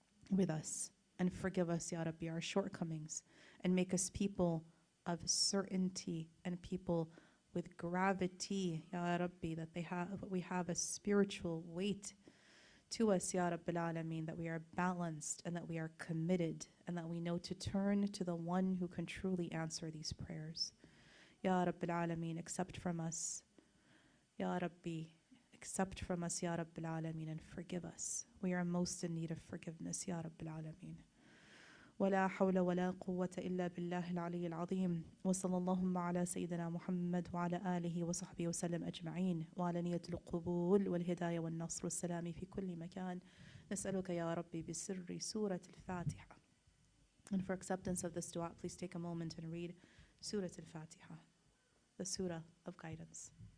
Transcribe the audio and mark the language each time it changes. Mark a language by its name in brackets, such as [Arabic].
[English] with us and forgive us, Ya Rabbi, our shortcomings, and make us people of certainty and people with gravity, Ya Rabbi, that they have, we have a spiritual weight to us, Ya Rabbil Alameen, that we are balanced and that we are committed and that we know to turn to the one who can truly answer these prayers. Ya Rabbil Alameen, accept from us. Ya Rabbi, accept from us, Ya Rabbil Alameen, and forgive us. We are most in need of forgiveness, Ya Rabbil Alameen. [Arabic] ولا حول ولا قوة إلا بالله العلي العظيم وصلى اللهم على سيدنا محمد وعلى آله وصحبه وسلم أجمعين وعلى نية القبول والهداية والنصر والسلام في كل مكان نسألك يا ربي بسر سورة الفاتحة. [English] And for acceptance of this dua, please take a moment and read سورة الفاتحة, the surah of guidance.